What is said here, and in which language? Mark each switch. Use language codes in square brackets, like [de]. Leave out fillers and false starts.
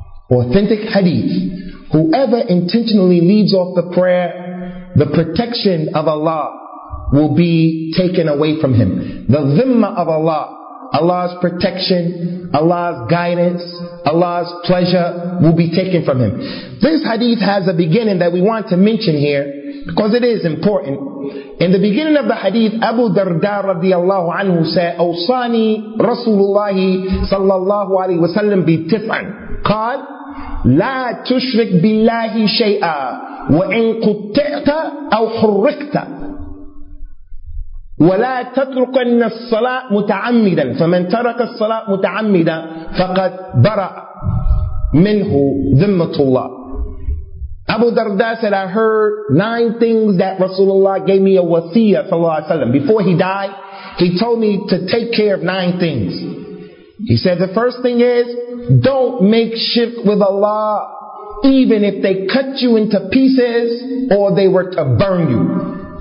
[en] Authentic hadith. Whoever intentionally leaves off the prayer, the protection of Allah will be taken away from him. The dhimma of Allah, Allah's protection, Allah's guidance, Allah's pleasure will be taken from him. This hadith has a beginning that we want to mention here because it is important. In the beginning of the hadith, Abu Darda radiallahu anhu said, [ar] أوصاني رسول الله صلى الله عليه وسلم بتسع قال لا تشرك بالله شيئا وإن قطعت أو حركت وَلَا تَتْرُكَنَّ الصَّلَاةِ مُتَعَمِّدًا فَمَنْ تَرَكَ الصَّلَاةِ مُتَعَمِّدًا فَقَدْ بَرَأَ مِنْهُ ذِمَّةُ اللَّهِ. [en] Abu Darda said, I heard 9 things that Rasulullah gave me a wasiyah, sallallahu alayhi wa sallam. Before he died, he told me to take care of 9 things. He said the first thing is, don't make shirk with Allah, even if they cut you into pieces or they were to burn you.